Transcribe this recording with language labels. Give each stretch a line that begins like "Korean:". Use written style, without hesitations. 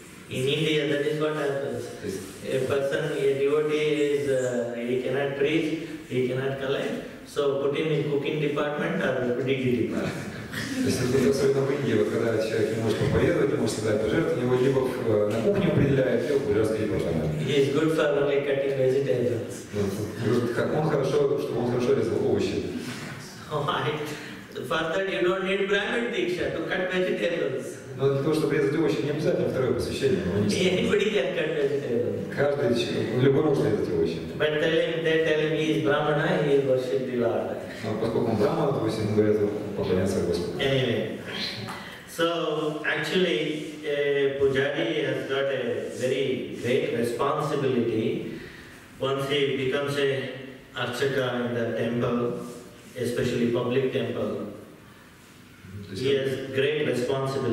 English: In India, that is what happens. A person, a devotee, he cannot preach, he cannot collect, so put him in cooking department or DD department.
Russian: То есть, особенно в Индии, когда человек не может проповедовать, не может собирать пожертвования, его либо на кухню определяют, либо в пожарский департамент.
English: He is good for only cutting vegetables.
Russian: Как он хорошо, чтобы он хорошо резал овощи.
English: Why? For that you don't need Brahmin Diksha to cut vegetables.
Russian: Но для того, чтобы резать овощи, не обязательно второе посвящение.
English: Anybody can cut vegetables.
Russian: Каждый человек, любой может резать овощи.
English: But they tell him he is Brahmana, he is worship the Lord.
Russian: Но поскольку он Брахмана, то есть ему говорят, поклоняться Господу.
English: Anyway. So, actually, Pujari has got a very great responsibility. Once he becomes an archaka in the temple, especially public temple, he has great responsibility.